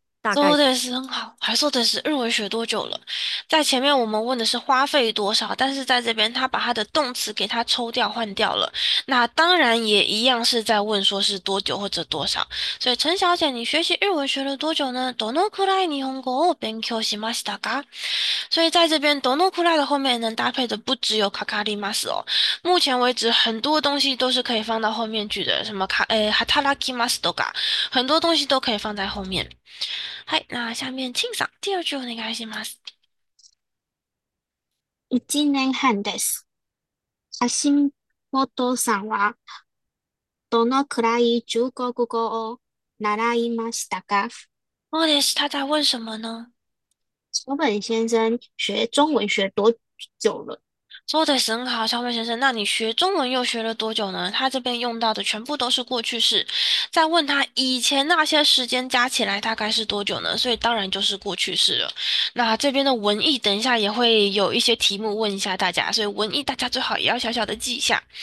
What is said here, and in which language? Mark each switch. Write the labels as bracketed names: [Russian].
[Chinese] 大概说多的是很好，还说的是日文学多久了？在前面我们问的是花费多少，但是在这边他把他的动词给他抽掉换掉了，那当然也一样是在问说是多久或者多少。所以陈小姐，你学习日文学了多久呢？ [Japanese] どのくらい日本語を勉強しましたか？ [Chinese] 所以在这边どのくらい的后面能搭配的不只有かかります哦。目前为止很多东西都是可以放到后面去的，什么 [Japanese] 働きますとか， [Chinese] 很多东西都可以放在后面。はい、那下面清掃、第二句 [Japanese] お願いします。 1年半です。橋本さんはどのくらい中国語を習いましたか？そうです、 [Chinese] 他在问什么呢？小本先生学中文学多久了？说的很好，小美先生。那你学中文又学了多久呢？他这边用到的全部都是过去式，再问他以前那些时间加起来大概是多久呢？所以当然就是过去式了。那这边的文艺，等一下也会有一些题目问一下大家，所以文艺大家最好也要小小的记一下。